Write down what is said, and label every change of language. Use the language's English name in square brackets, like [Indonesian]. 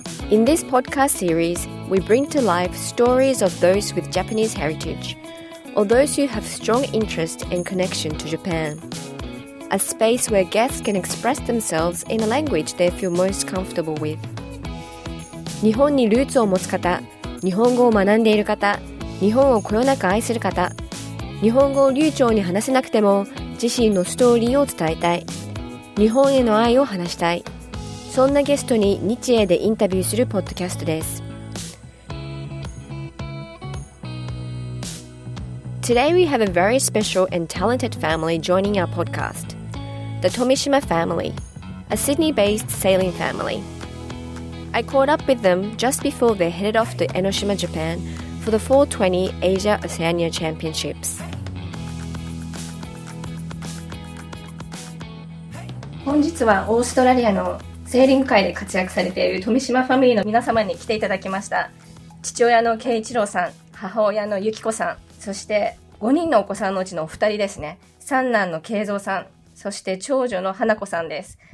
[English] In this podcast series, we bring to life stories of those with Japanese heritage, or those who have strong interest and connection to Japan. A space where guests can express themselves in a language they feel most comfortable with. [Japanese] 日本にルーツを持つ方、日本語を学んでいる方、日本をこよなく愛する方、日本語を流暢に話せなくても自身のストーリーを伝えたい、日本への愛を話したい、そんなゲストに日英でインタビューするポッドキャストです。 [English] Today we have a very special and talented family joining our podcast, the Tomishima family, a Sydney-based sailing family. I caught up with them just before they headed off to Enoshima, Japan for the 420 Asia Oceania Championships. [Japanese] 本日はオーストラリアのセーリング界で活躍されている富島ファミリーの皆様に来ていただきました。父親の圭一郎さん、母親の由紀子さん、そして5人のお子さんのうちのお二人ですね、三男の圭三さん、そして長女の花子さんです。